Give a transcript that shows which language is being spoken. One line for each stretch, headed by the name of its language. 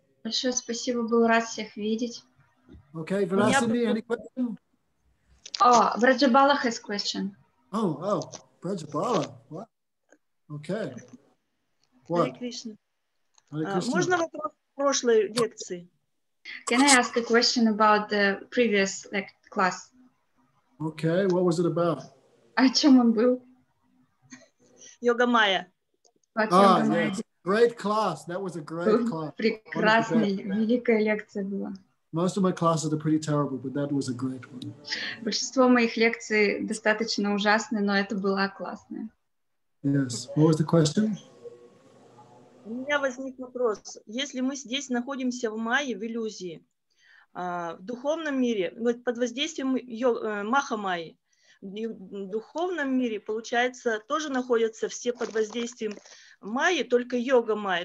Russian: Большое спасибо, был рад всех видеть.
English: Okay, Velasini, any question? Oh, Vrajabala has question. Oh, Vrajabala. What? Okay. What? Hare Krishna.
Russian: Можно вопрос прошлой лекции?
English: Can I ask a question about the previous class? Okay, what was it about?
Russian: О чем он был? Йога Майя.
English: Yes. Great class. That was a great class.
Russian: Прекрасная, великая лекция была.
English: Most of my classes are pretty terrible, but that was a great one.
Russian: Большинство моих лекций достаточно ужасные, но это была классная.
English: Yes. What was the question?
Russian: У меня возник вопрос. Если мы здесь находимся в майе, в иллюзии, в духовном мире, вот под воздействием Маха-майи, в духовном мире, получается, тоже находятся все под воздействием майи, только йога майи.